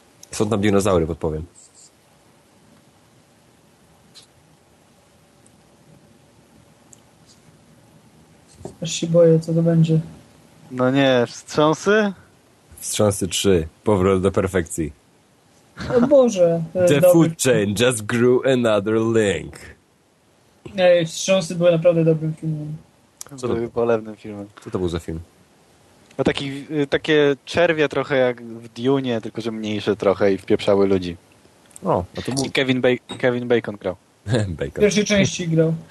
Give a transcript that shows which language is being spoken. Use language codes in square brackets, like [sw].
[pl] Są tam dinozaury, podpowiem. Aż się boję, co to będzie. No nie, wstrząsy? Wstrząsy 3, powrót do perfekcji. O Boże. [en] The food chain just grew another link. [pl] Ej, Wstrząsy były naprawdę dobrym filmem. Co to był polewnym filmem. Co to był za film? No takie czerwie trochę jak w Dune, tylko że mniejsze trochę i wpieprzały ludzi. O, a to był... I Kevin Bacon grał. Bacon. W pierwszej części grał.